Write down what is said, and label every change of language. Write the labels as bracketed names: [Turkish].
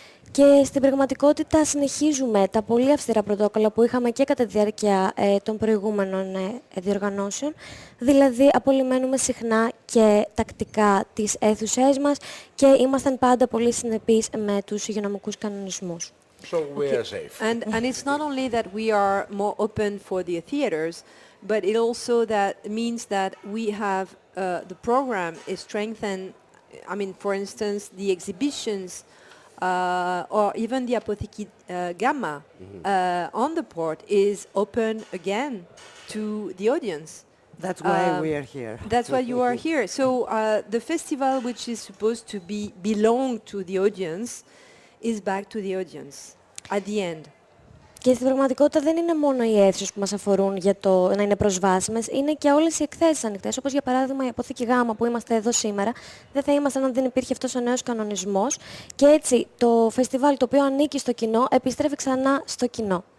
[Greek] Και στην πραγματικότητα συνεχίζουμε τα πολύ αυστηρά πρωτόκολλα που είχαμε και κατά τη διάρκεια των προηγούμενων διοργανώσεων. Δηλαδή, απολυμμένουμε συχνά και τακτικά τις αίθουσές μας και ήμασταν πάντα πολύ συνεπείς με τους υγειονομικούς κανονισμούς. [English] So we are safe. Okay. And it's not only that we are more open for the theaters, but it also that means that we have the program is strengthened. I mean, for instance, the exhibitions or even the Apotheke Gamma on the port is open again to the audience. That's why we are here. That's why you are here. So the festival, which is supposed to be belong to the audience, is back to the audience at the end. [Greek] Και στην πραγματικότητα δεν είναι μόνο οι αίθουσες που μας αφορούν για το να είναι προσβάσιμες, είναι και όλες οι εκθέσεις ανοιχτές. Όπως για παράδειγμα η Αποθήκη Γάμα που είμαστε εδώ σήμερα, δεν θα ήμασταν αν δεν υπήρχε αυτός ο νέος κανονισμός. Και έτσι το φεστιβάλ το οποίο ανήκει στο κοινό επιστρέφει ξανά στο κοινό.